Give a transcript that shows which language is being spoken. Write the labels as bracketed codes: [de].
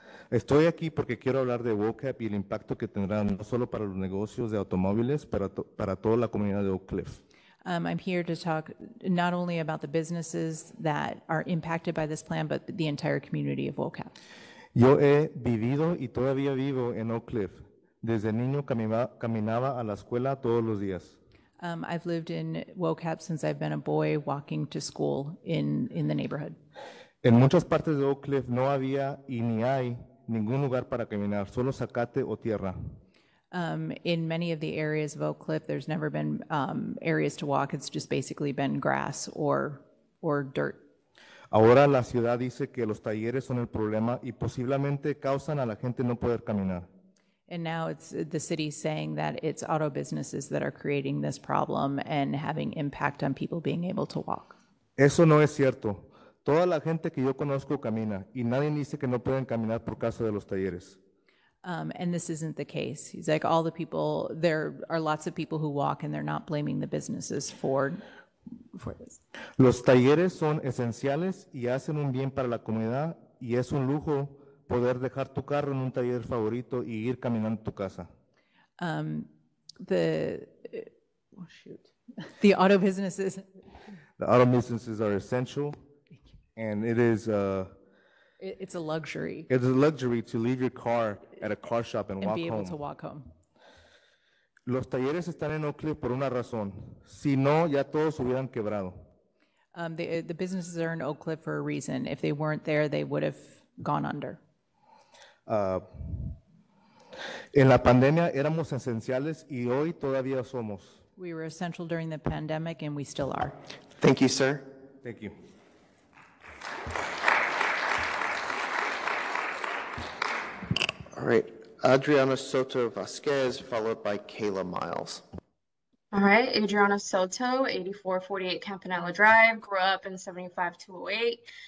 [es] Estoy aquí porque quiero hablar de WOCAP y el impacto que tendrá no solo para los negocios de automóviles, para toda la comunidad de Oak Cliff. [en] I'm here to talk not only about the businesses that are impacted by this plan, but the entire community of WOCAP. [es] Yo he vivido y todavía vivo en Oak Cliff. Desde niño caminaba a la escuela todos los días. [en] I've lived in WOCAP since I've been a boy walking to school in the neighborhood. [es] En muchas partes de Oak Cliff no había y ni hay ningún lugar para caminar, solo zacate o tierra. [en] In many of the areas of Oak Cliff, there's never been areas to walk. It's just basically been grass or dirt. [es] Ahora la ciudad dice que los talleres son el problema y posiblemente causan a la gente no poder caminar. [en] And now it's the city saying that it's auto businesses that are creating this problem and having impact on people being able to walk. [es] Eso no es cierto. Toda la gente que yo conozco camina y nadie dice que no pueden caminar por causa de los talleres. [en] And this isn't the case. He's like, all the people, there are lots of people who walk and they're not blaming the businesses for this. [es] Los talleres son esenciales y hacen un bien para la comunidad y es un lujo poder dejar tu carro en un taller favorito y ir caminando a tu casa. [en] The auto businesses. The auto businesses are essential and it is... It's a luxury. It's a luxury to leave your car at a car shop and walk home. And be able to walk home. [es] Los talleres están en Oak Cliff por una razón. Si no, ya todos hubieran quebrado. [en] The businesses are in Oak Cliff for a reason. If they weren't there, they would have gone under. En la pandemia éramos esenciales y hoy todavía somos. We were essential during the pandemic and we still are. Thank you, sir. Thank you. All right, Adriana Soto Vasquez, followed by Kayla Miles. All right, Adriana Soto, 8448 Campanella Drive, grew up in 75208.